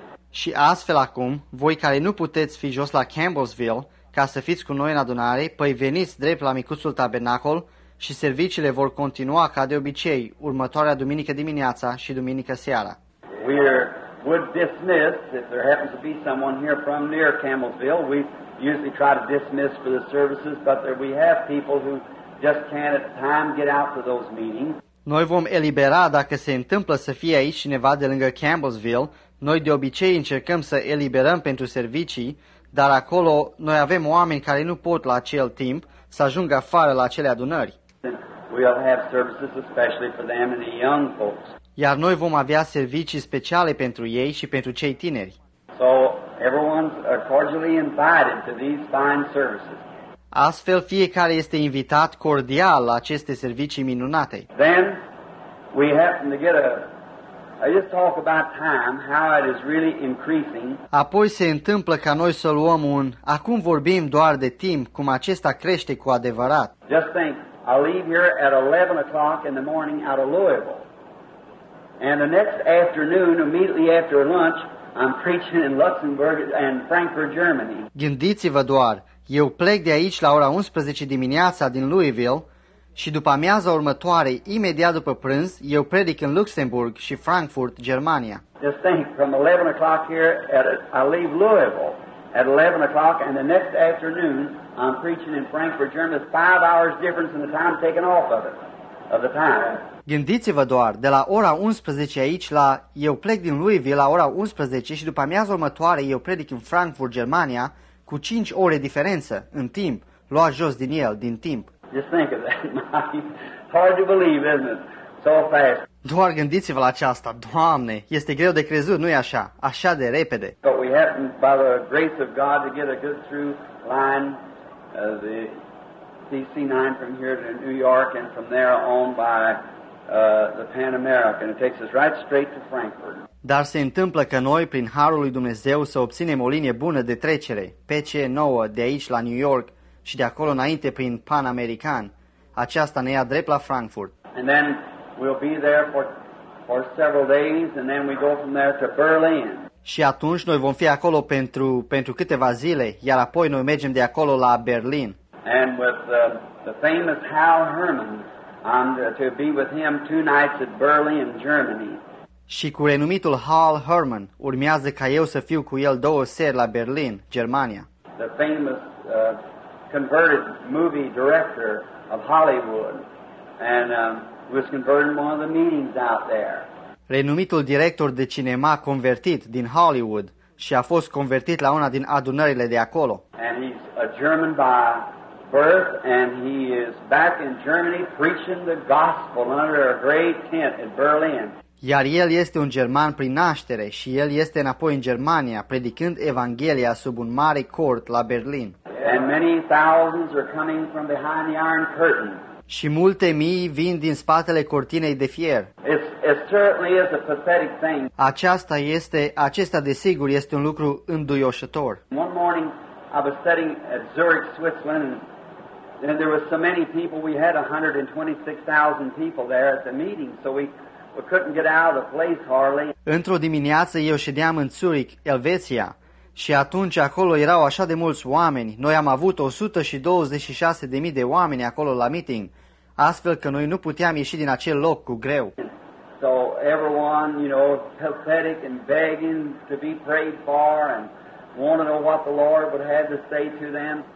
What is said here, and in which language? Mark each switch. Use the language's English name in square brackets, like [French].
[Romanian] Și astfel acum, voi care nu puteți fi jos la Campbellsville ca să fiți cu noi în adunare, păi veniți drept la micuțul tabernacol și serviciile vor continua ca de obicei, următoarea duminică dimineața și duminică seara. [English] Would dismiss, if there happens to be someone here from near Campbellsville, we usually try to dismiss for the services, but there we have people who just can't at time get out to those meetings. [Romanian] Noi vom elibera dacă se întâmplă să fie aici cineva de lângă Campbellsville. Noi de obicei încercăm să eliberăm pentru servicii, dar acolo noi avem oameni care nu pot la acel timp să ajungă afară la acele adunări. [English] We'll have services especially for them and the young folks. [Romanian] Iar noi vom avea servicii speciale pentru ei și pentru cei tineri. [English] So everyone's cordially invited to these fine services. [Romanian] Astfel, fiecare este invitat cordial la aceste servicii minunate. [English] Then we happen to get a I just talk about time, how it is really increasing. [Romanian] Apoi se întâmplă ca noi să luăm un acum vorbim doar de timp, cum acesta crește cu adevărat. [English] Just think, I leave here at 11 o'clock in the morning out of Louisville. And the next afternoon, immediately after lunch, I'm preaching in Luxembourg and Frankfurt, Germany. [Romanian] Gândiți-vă doar, eu plec de aici la ora 11 dimineața din Louisville. Și după amiaza următoare, imediat după prânz, eu predic în Luxemburg și Frankfurt, Germania. [English] Just think, from 11 o'clock here, I leave Louisville at 11 o'clock, and the next afternoon, I'm preaching in Frankfurt, Germany. 5 hours difference in the time taken off of it, of the time. [Romanian] Gândiți-vă doar, de la ora 11 aici la, eu plec din Louisville la ora 11 și după amiaza următoare, eu predic în Frankfurt, Germania, cu 5 ore diferență, în timp, luat jos din el, din timp. [English] Just think of that. Hard to believe, isn't it? So fast. [Romanian] Doar gândiți-vă la aceasta, Doamne, este greu de crezut, nu-i așa? Așa de repede. [English] But we happen, by the grace of God, to get a good through line, the CC9 from here to New York, and from there on by the Pan American. It takes us right straight to Frankfurt. [Romanian] Dar se întâmplă că noi, prin Harul lui Dumnezeu, să obținem o linie bună de trecere, PC9, de aici la New York, și de acolo înainte prin Pan American. Aceasta ne ia drept la Frankfurt. [English] And then we'll be there for several days and then we go from there to Berlin. [Romanian] Și atunci noi vom fi acolo pentru câteva zile, iar apoi noi mergem de acolo la Berlin. [English] And with the famous Hal Hermann, I'm to be with him 2 nights at Berlin, Germany. [Romanian] Și cu renumitul Hal Hermann, urmează ca eu să fiu cu el 2 seri la Berlin, Germania. [English] The famous converted movie director of Hollywood and was converted in one of the meetings out there. [Romanian] Renumitul director de cinema convertit din Hollywood și a fost convertit la una din adunările de acolo. [English] And he's a German by birth and he is back in Germany preaching the gospel under a great tent in Berlin. [Romanian] Iar el este un german prin naștere și el este înapoi în Germania predicând Evanghelia sub un mare cort la Berlin. [English] And many thousands are coming from behind the iron curtain. [Romanian] Și multe mii vin din spatele cortinei de fier. [English] It certainly is a pathetic thing. [Romanian] Acesta desigur este un lucru înduioșător. [English] One morning I was studying at Zurich, Switzerland, and there were so many people, we had 126,000 people there at the meeting, so we couldn't get out of the place hardly. [Romanian] Într-o dimineață eu ședeam în Zurich, Elveția. Și atunci acolo erau așa de mulți oameni. Noi am avut 126.000 de oameni acolo la meeting, astfel că noi nu puteam ieși din acel loc cu greu. [English] So everyone, you know, pathetic and begging to be prayed for and want to know what the Lord would have to say to them.